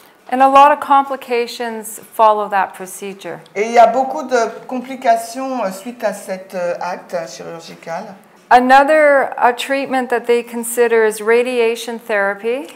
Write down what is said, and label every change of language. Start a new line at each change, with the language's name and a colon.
English: And a lot of complications follow that procedure.
French: Et il y a beaucoup de complications suite à cet acte chirurgical.
English: Another a treatment that they consider is radiation therapy.